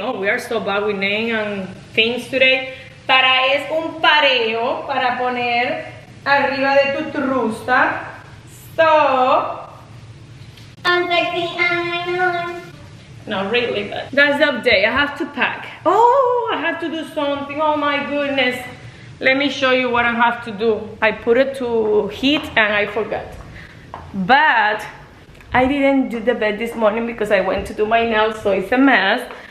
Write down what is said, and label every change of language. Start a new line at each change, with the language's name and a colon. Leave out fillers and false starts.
English: Oh, we are so bad with names and things today.
Spanish: Para es un pareo para poner arriba de tu trusa.
English: So. I'm sexy, I know. No, really, but that's the update. I have to pack. Oh, I have to do something. Oh my goodness. Let me show you what I have to do. I put it to heat and I forgot. But I didn't do the bed this morning because I went to do my nails, so it's a mess.